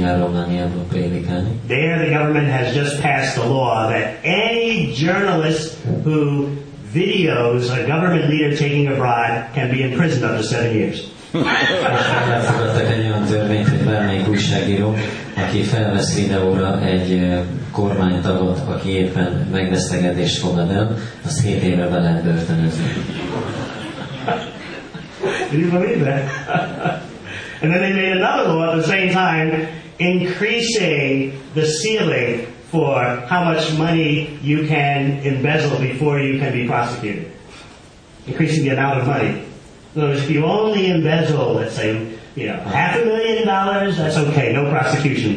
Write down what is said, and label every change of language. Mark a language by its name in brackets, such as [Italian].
[English] There the government has just passed a law that any journalist who videos a government leader taking a bribe can be imprisoned up to 7 years. [Hungarian] Elfogadtak egy olyan törvényt, hogy bármelyik újságíró, aki felvesz videóra egy kormánytagot, aki éppen megvesztegedést fogad el, azt 7 évre be lehet börtönözni. [English] Did you believe that? And then they made another law at the same time, increasing the ceiling for how much money you can embezzle before you can be prosecuted. Increasing the amount of money. In other words, if you only embezzle, let's say, $500,000, that's okay, no prosecution.